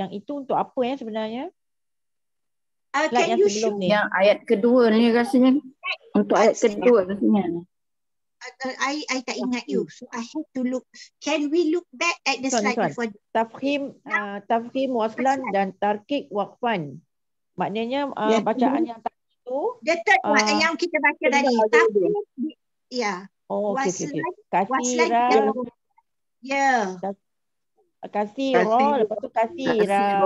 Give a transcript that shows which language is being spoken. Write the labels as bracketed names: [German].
[Malay] Yang itu untuk apa ya sebenarnya? [English] Can you show [Malay] ni? Yang ayat kedua ni rasanya. Untuk ayat kedua rasanya. [English] I [Malay] tak ingat [English] you. So I have to look. Can we look back at the slide before? [Malay] Tafhim, tafhim waslan dan tarkik waqfan. Maknanya bacaan yang tak itu. [English] The third one [Malay] yang kita baca tadi. Kasira. Ya. Kasira. Lepas tu kasira.